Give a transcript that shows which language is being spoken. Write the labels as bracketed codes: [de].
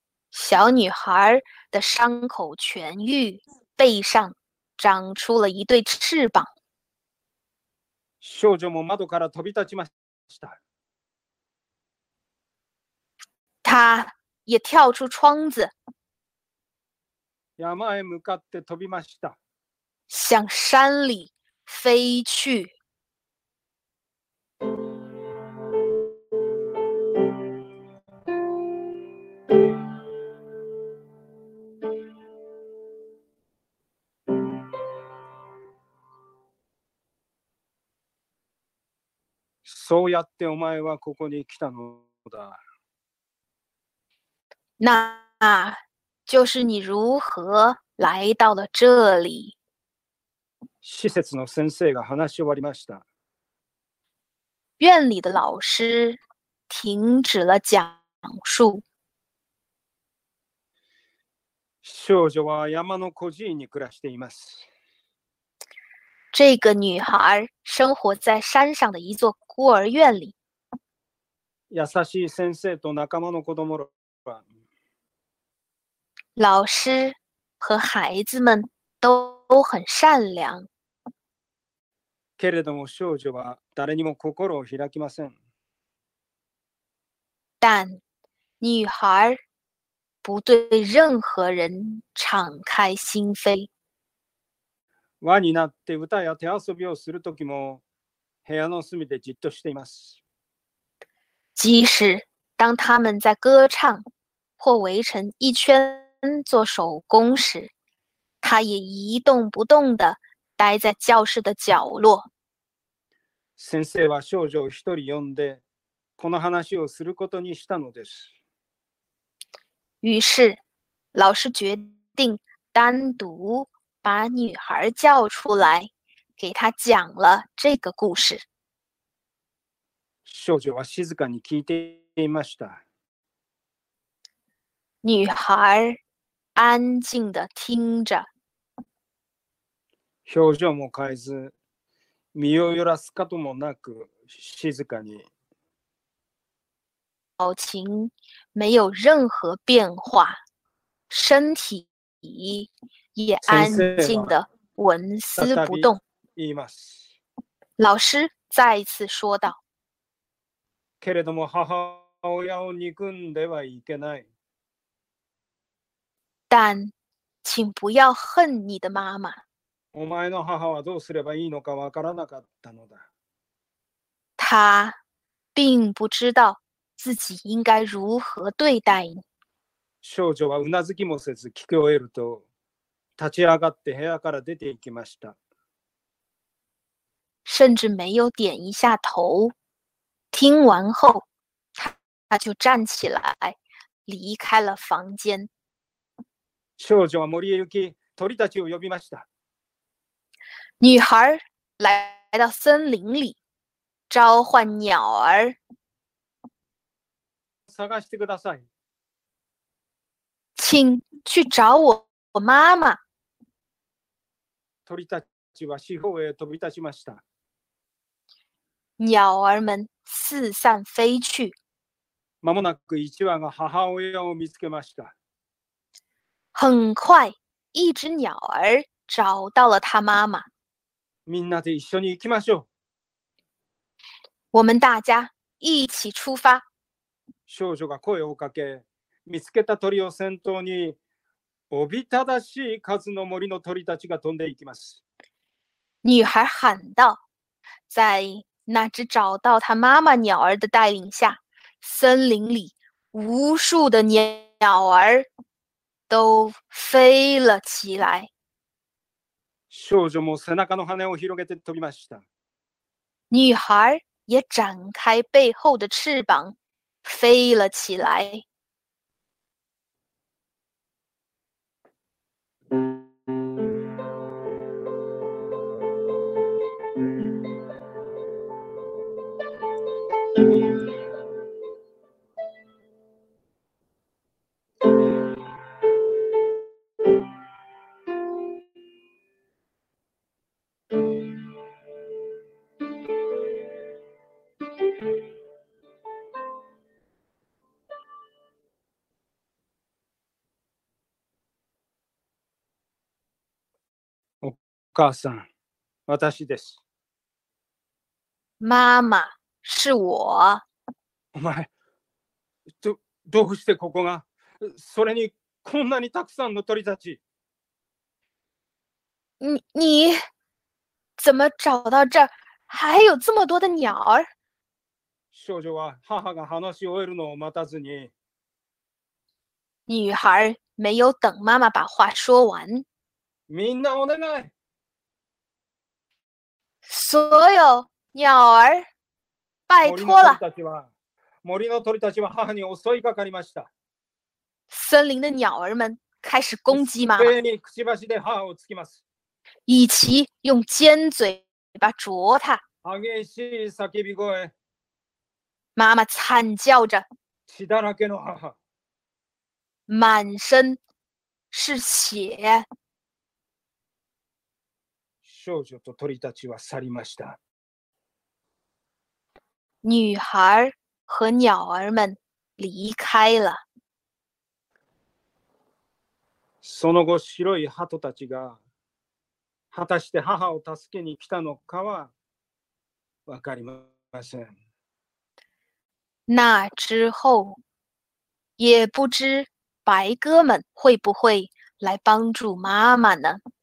[zh] 小女孩的伤口痊愈，背上长出了一对翅膀。 [ja] 少女も窓から飛び立ちました。 [zh] 她也跳出窗子。 [ja] 山へ向かって飛びました。 [zh] 向山里飞去。 [ja] そうやってお前はここに来たのだ。 [zh] 那就是你如何来到了这里。 [ja] 施設の先生が話し終わりました。 [zh] 院里的老师停止了讲述。 [ja] 少女は山の孤児院に暮らしています。 [zh] 这个女孩生活在山上的一座孤儿院里。 [ja] 優しい先生と仲間の子供らは、 [zh] 老师和孩子们都很善良。 [ja] けれども少女は誰にも心を開きません。 [zh] 但女孩不对任何人敞开心扉。 [ja] 輪になって歌や手遊びをするときも部屋の隅でじっとしています。 [zh] 即使当他们在歌唱或围成一圈做手工时，他也一动不动地待在教室的角落。 [ja] 先生は少女を一人呼んで、この話をすることにしたのです。 [zh] 于是，老师决定单独把女孩叫出来，给她讲了这个故事。 [ja] 少女は静かに聞いていました。 [zh] 女孩安静地听着， [ja] 表情も変えず、身を揺らすこともなく、静かに。 [zh] 表情没有任何变化，身体也安静地纹丝不动。 [ja] 言います。 [zh] 老师再一次说道。 [ja] けれども母親を憎んではいけない。 [zh] 但请不要恨你的妈妈。 [ja] お前の母はどうすればいいのかわからなかったのだ。 [zh] 他并不知道自己应该如何对待你。 [ja] 少女はうなずきもせず聞き終えると立ち上がって部屋から出て行きました。 [zh] 甚至没有点一下头。听完后，他就站起来，离开了房间。 [ja] 少女は森へ行き、鳥たちを呼びました。 [zh] 女孩来到森林里，召唤鸟儿。 [ja] 探してください。 [zh] 请去找我妈妈。 [ja] 鳥たちは四方へ飛び立ちました。 [zh] 鸟儿们四散飞去。 [ja] まもなく一羽が母親を見つけました。 [zh] 很快，一只鸟儿找到了他妈妈。 [ja] みんなで一緒に行きましょう。 [zh] 我们大家一起出发。 [ja] 少女が声をかけ、見つけた鳥を先頭に、おびただしい数の森の鳥たちが飛んでいきます。 [zh] 女孩喊道，在那只找到他妈妈鸟儿的带领下，森林里无数的鸟儿都飞了起来。 [ja] 少女も背中の羽を広げて飛びました。 [zh] 女孩也展开背后的翅膀，飞了起来。 [ja] お母さん、私です。 [zh] ママ。是我。 [ja] お前、どうしてここが、それにこんなにたくさんの鳥たち。 [zh] 你怎么找到这儿，还有这么多的鸟儿？ [ja] 少女は母が話し終えるのを待たずに。 [zh] 女孩没有等妈妈把话说完。 [ja] みんなお願い。 [zh] 所有鸟儿。拜托了。 [ja] 森の鳥たちは母に襲いかかりました。 [zh] 森林的鸟儿们开始攻击妈妈。 [ja] 一斉にくちばしで母をつきます。 [zh] 一起用尖嘴巴啄她。 [ja] 激しい叫び声。 [zh] 妈妈惨叫着。 [ja] 血だらけの母。 [zh] 满身是血。 [ja] 少女と鳥たちは去りました。 [zh] 女孩和鸟儿们离开了。 [ja] その後、白い鳩たちが果たして母を助けに来たのかは分かりません。 [zh] 那之后，也不知白鸽们会不会来帮助妈妈呢？